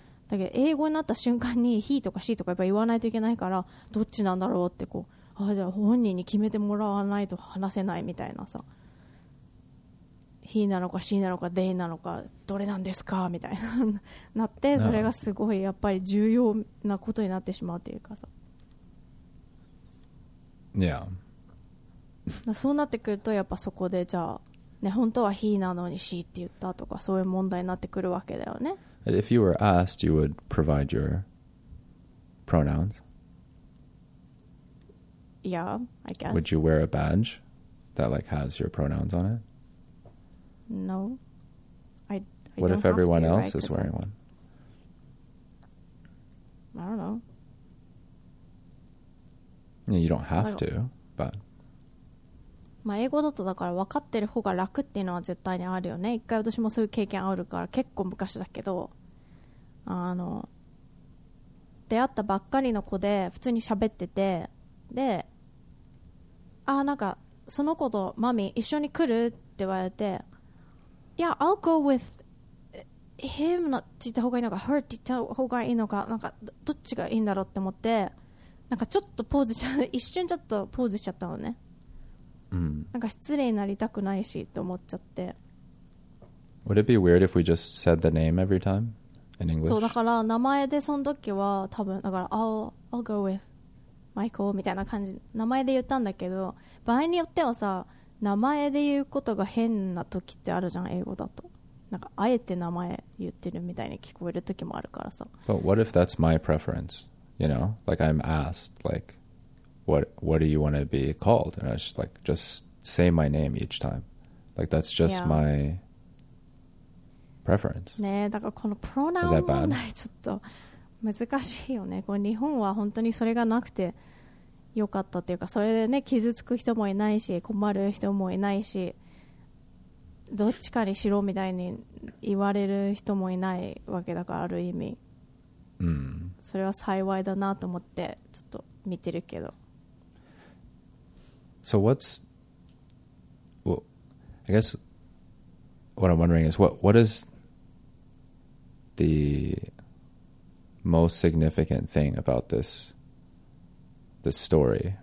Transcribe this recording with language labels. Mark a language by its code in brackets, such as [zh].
[ja] だけど英語になった瞬間に he とか she とかやっぱ言わないといけないから、どっちなんだろうってこう、あ、じゃあ本人に決めてもらわないと話せないみたいなさ、 he なのか she なのか they なのかどれなんですかみたいななって、それがすごいやっぱり重要なことになってしまうっていうかさ。いや、そうなってくるとやっぱそこでじゃあね、本当は he なのに she って言ったとかそういう問題になってくるわけだよね。 [en] If you were asked, you would provide your pronouns? Yeah, I guess. Would you wear a badge that like has your pronouns on it? No. I What don't if everyone have to, else right? is wearing one? I don't know. You don't have to, but... [ja] まあ、英語だとだから分かってる方が楽っていうのは絶対にあるよね。一回私もそういう経験あるから結構昔だけど、あの出会ったばっかりの子で普通に喋ってて、で、あ、なんかその子とマミ一緒に来るって言われて、いや、 [en] yeah, I'll go with him [ja] って言った方がいいのか her って言った方がいいのか、なんかどっちがいいんだろうって思って、なんかちょっとポーズしちゃ一瞬ちょっとポーズしちゃったのね。なんか失礼になりたくないしと思っちゃって。 [en] Would it be weird if we just said the name every time in English? [ja] そうだから名前でその時は多分だから [en] I'll go with Michael [ja] みたいな感じ名前で言ったんだけど、場合によってはさ名前で言うことが変な時ってあるじゃん英語だと。なんかあえて名前言ってるみたいに聞こえる時もあるからさ。 [en] But what if that's my preference? You know, like I'm asked like. What do you want to be called? And I was just like, just say my name each time. Like, that's just、yeah. my preference. [ja] ねえ、だからこのプロナウン問題ちょっと難しいよね。こう日本は本当にそれがなくてよかったっていうか、それでね、傷つく人もいないし、困る人もいないし、どっちかにしろみたいに言われる人もいないわけだから、ある意味。うん。それは幸いだなと思って、ちょっと見てるけど。 [en] So what's, well, I guess what I'm wondering is what is the most significant thing about this story?